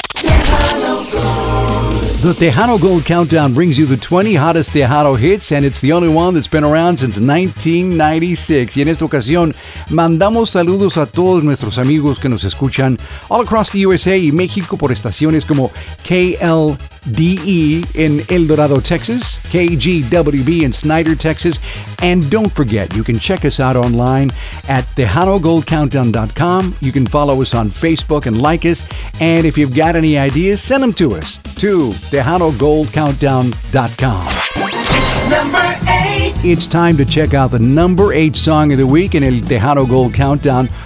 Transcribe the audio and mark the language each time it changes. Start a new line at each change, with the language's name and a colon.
English: The Tejano Gold Countdown brings you the 20 hottest Tejano hits, and it's the only one that's been around since 1996.
Spanish: Y en esta ocasión, mandamos saludos a todos nuestros amigos que nos escuchan
English: all across the USA
Spanish: y México por estaciones como KLDE in El Dorado, Texas, KGWB in Snyder, Texas.
English: And don't forget, you can check us out online at TejanoGoldCountdown.com. You can follow us on Facebook and like us. And if you've got any ideas, send them to us to TejanoGoldCountdown.com. Number 8. It's time to check out the number 8 song of the week in El Tejano Gold Countdown.